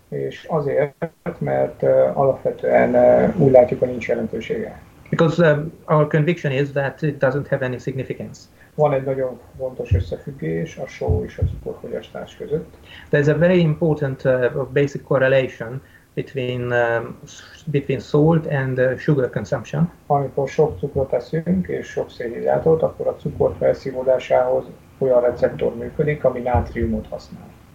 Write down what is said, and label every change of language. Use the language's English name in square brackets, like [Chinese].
[Hungarian] És azért, mert alapvetően úgy látjuk, hogy nincs jelentősége. [English] Because our conviction is that it doesn't have any significance. [Hungarian] Van egy nagyon fontos összefüggés a só és a cukorfogyasztás között. [English] There's a very important basic correlation between between salt and sugar consumption. [Hungarian] Amikor sok cukrot eszünk és sok szénhidrátot, akkor a cukor felszívódásához olyan receptor működik, ami nátriumot használ.